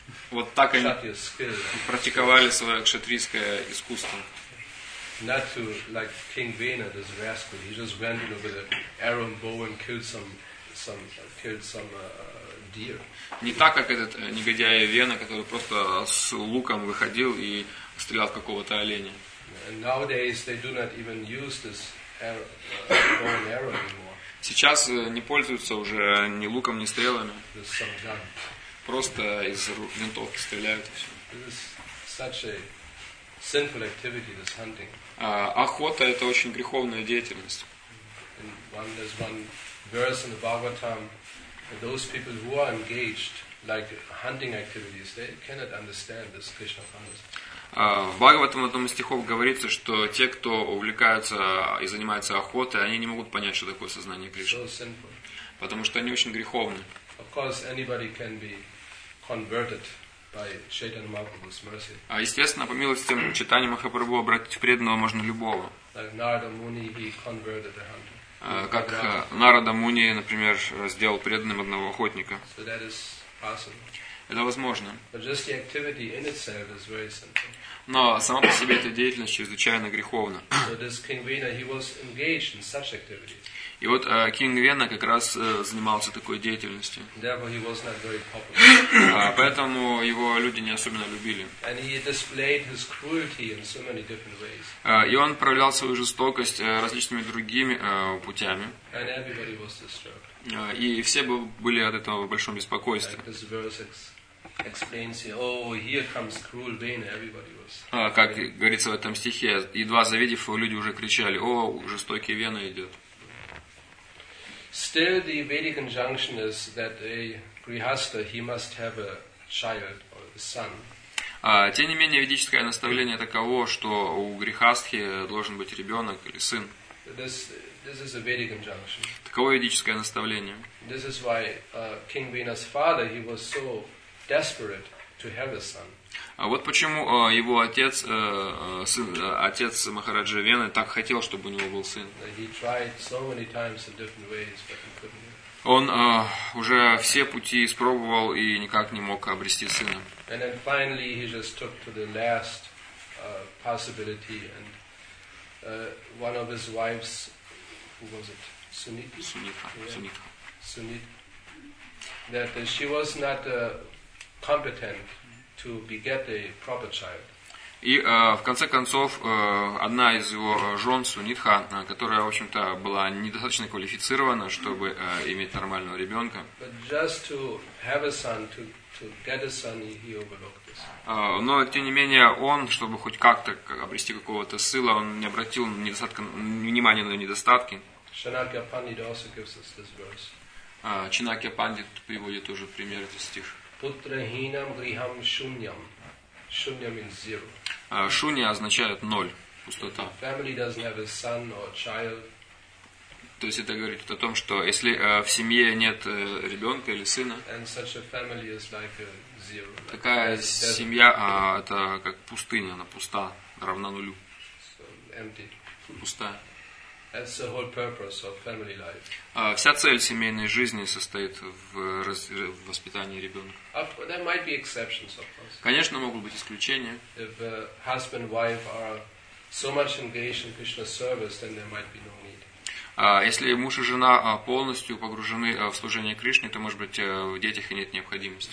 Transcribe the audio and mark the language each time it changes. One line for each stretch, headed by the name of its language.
Russian: Вот так они практиковали свое кшатрийское искусство.
English: Not to like King Vena, this rascal. He just went, you know, with an arrow and bow and killed some deer.
Russian: Не так, как этот негодяй Вена, который просто с луком выходил и стрелял в какого-то оленя.
English: Nowadays they do not even use this bow and arrow anymore.
Russian: Сейчас не пользуются уже ни луком, ни стрелами.
English: Just some gun.
Russian: Просто из винтовки стреляют и все.
English: This is such a sinful activity, this hunting.
Russian: Охота – это очень греховная деятельность. В Бхагаватам в одном из стихов говорится, что те, кто увлекаются и занимаются охотой, они не могут понять, что такое сознание Кришны.
English: So
Russian: потому что они очень греховны.
English: Of course, anybody can be converted. By Chaitanya Mahaprabhu's mercy.
Russian: А естественно, по милости Чайтаньи Махапрабху обратить в преданного можно любого.
English: Like Narada Muni, he converted a hunter.
Russian: Как Нарада Муни, например, сделал преданным одного охотника.
English: So that is possible.
Russian: Это возможно.
English: But just the activity in itself is very sinful.
Russian: Но сама по себе эта деятельность чрезвычайно греховна.
English: So this King Vena, he was engaged in such activities.
Russian: И вот Кинг Вена как раз занимался такой деятельностью.
English: Therefore he was not very popular.
Russian: Поэтому его люди не особенно любили.
English: And he displayed his cruelty in so many different ways.
Russian: И он проявлял свою жестокость различными другими путями.
English: And everybody was disturbed.
Russian: И все были от этого в большом беспокойстве.
English: Like this verse explains here, oh, here comes cruel Vena, everybody was.
Russian: Как говорится в этом стихе, едва завидев его, люди уже кричали: о, жестокий Вена идет.
English: Still, the Vedic injunction is that a grihastha, he must have a child or a son.
Russian: Тем не менее, ведическое наставление таково, что у грихастхи должен быть ребенок или сын.
English: This is a Vedic injunction.
Russian: Таково ведическое наставление.
English: This is why King Vena's father, he was so desperate to have a son.
Russian: А вот почему его отец, сын, отец Махараджи Вены, так хотел, чтобы у него был сын.
English: He tried so many times in different ways, but he couldn't.
Russian: Он уже все пути испробовал и никак не мог обрести сына.
English: And then finally he just took to the last possibility, and one of his wives, who was it? Sunita. Sunita. Yeah. Sunita. Sunita. That she was not competent to beget a proper child.
Russian: И в конце концов одна из его жен, Сунитха, которая, в общем-то, была недостаточно квалифицирована, чтобы иметь нормального ребенка. Но тем не менее он, чтобы хоть как-то обрести какого-то сына, он не обратил внимания на недостатки. Чанакья Пандит приводит тоже пример этот стих.
Sanskrit: Путрахинам грихам шуньям.
English: Шунья means zero.
Russian: Шунья означает ноль, пустота.
English: Family doesn't have a son or child.
Russian: То есть это говорит о том, что если в семье нет ребенка или сына,
English: and such a family is like a zero.
Russian: Такая семья это как пустыня, она пуста, равна нулю.
English: So empty.
Russian: Пустая.
English: That's the whole purpose of family life.
Russian: Вся цель семейной жизни состоит в воспитании ребенка.
English: There might be exceptions, of course.
Russian: Конечно, могут быть исключения.
English: If husband and wife are so much engaged in Krishna service, then there might be no need.
Russian: Если муж и жена полностью погружены в служение Кришне, то, может быть, в детях и нет необходимости.